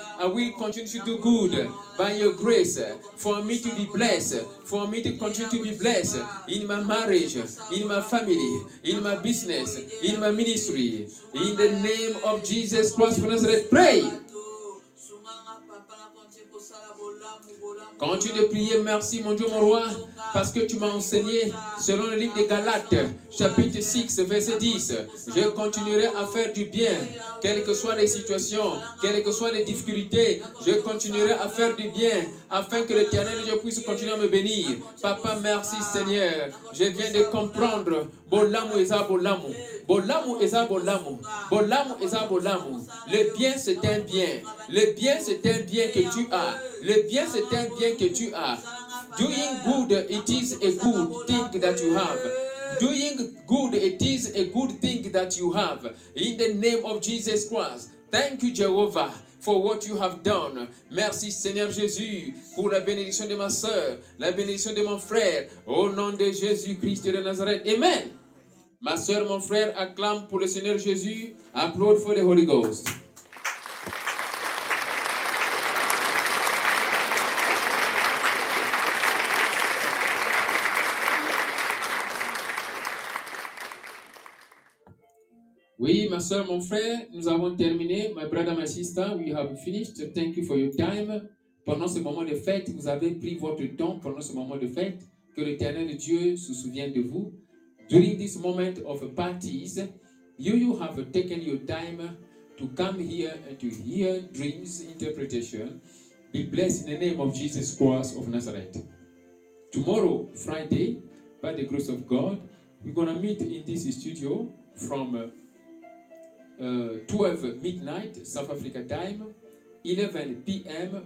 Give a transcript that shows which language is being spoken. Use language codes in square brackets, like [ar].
[en] I will continue to do good by your grace for me to be blessed, for me to continue to be blessed in my marriage, in my family, in my business, in my ministry. In the name of Jesus Christ of Nazareth, pray. [fr] Continue de prier, merci mon Dieu, mon roi, parce que tu m'as enseigné selon le livre de Galates, chapitre 6, verset 10. Je continuerai à faire du bien, quelles que soient les situations, quelles que soient les difficultés, je continuerai à faire du bien, afin que l'Éternel Dieu puisse continuer à me bénir. Papa, merci Seigneur, je viens de comprendre. [ln] Bolamu eza bolamu. Bolamu eza bolamu. Bolamu eza bolamu. [fr] Le bien, c'est un bien. Le bien, c'est un bien que tu as. Le bien, c'est un bien que tu as. [en] Doing good, it is a good thing that you have. Doing good, it is a good thing that you have. In the name of Jesus Christ. Thank you, Jehovah, for what you have done. [fr] Merci, Seigneur Jésus, pour la bénédiction de ma sœur, la bénédiction de mon frère, au nom de Jésus-Christ de Nazareth. Amen. Ma sœur, mon frère, acclame pour le Seigneur Jésus. [en] Applaud for the Holy Ghost. [fr] Oui, ma soeur, mon frère, nous avons terminé. [en] My brother, my sister, we have finished. Thank you for your time. [fr] Pendant ce moment de fête, vous avez pris votre temps pendant ce moment de fête. Que l'Éternel Dieu se souvienne de vous. [en] During this moment of parties, you have taken your time to come here and to hear dreams interpretation. Be blessed in the name of Jesus Christ of Nazareth. Tomorrow, Friday, by the grace of God, we're going to meet in this studio from 12 midnight South Africa time, 11 p.m.